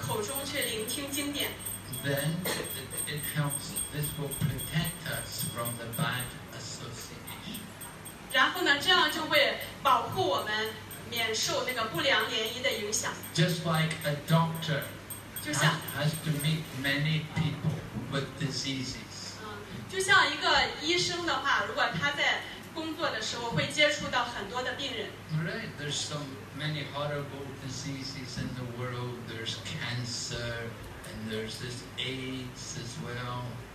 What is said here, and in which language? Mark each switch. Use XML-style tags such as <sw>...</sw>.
<zh>但还是需要保护我们自己。通过规范的、有规律的去唱诵圣名。然后从奉献者的口中去聆听经典。</zh> <en>Then it helps. This will protect us from the bad association.</en> <zh>然后呢，这样就会保护我们。</zh> <en>Just like a doctor has to meet many people with diseases.</en> <zh>就像一个医生的话，如果他在工作的时候会接触到很多的病人。</zh> <en>Right, there's so many horrible diseases in the world. There's cancer and there's this AIDS as well.</en>